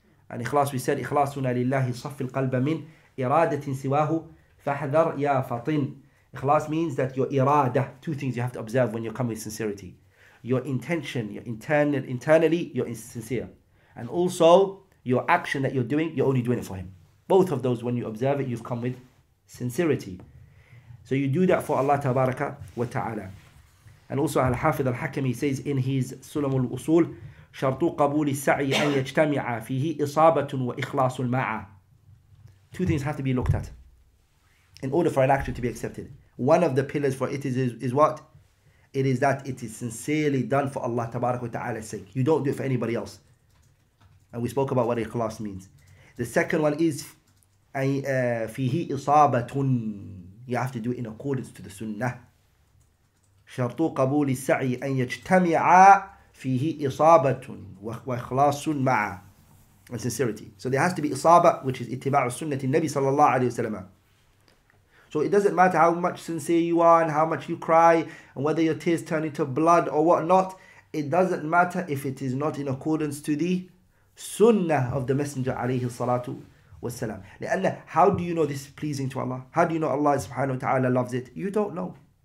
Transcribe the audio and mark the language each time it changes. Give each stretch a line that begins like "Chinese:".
Arabic: And إخلاص, we said, إخلاصنا لله صف القلب من إرادة سواه فحذر يا فطن.
English: إخلاص means that your إرادة, two things you have to observe when you come with sincerity. Your intention, your internally, you're insincere. And also, your action that you're doing, you're only doing it for Him. Both of those, when you observe it, you've come with sincerity. So you do that for Allah تبارك وتعالى. And also, Al-Hafidh Al-Hakim, he says in his Sulam Al-Usul,
Arabic: شرط قبول السعي أن يجتمع فيه إصابة وإخلاص المعا.
English: Two things have to be looked at in order for an action to be accepted. One of the pillars for it is what? It is that it is sincerely done for Allah تبارك وتعالى's sake. You don't do it for anybody else. And we spoke about what إخلاص means. The second one is
Arabic: فيه إصابة.
English: You have to do it in accordance to the Sunnah.
Arabic: شرط قبول السعي أن يجتمع فيه إصابة وإخلاص مع
English: and sincerity. So there has to be
Arabic: إصابة, which is اتباع السنة النبي صلى الله عليه وسلم.
English: So it doesn't matter how much sincere you are and how much you cry and whether your tears turn into blood or what not. It doesn't matter if it is not in accordance to the Sunnah of the Messenger عليه الصلاة والسلام. لأن how do you know this is pleasing to Allah? How do you know Allah سبحانه وتعالى loves it? You don't know.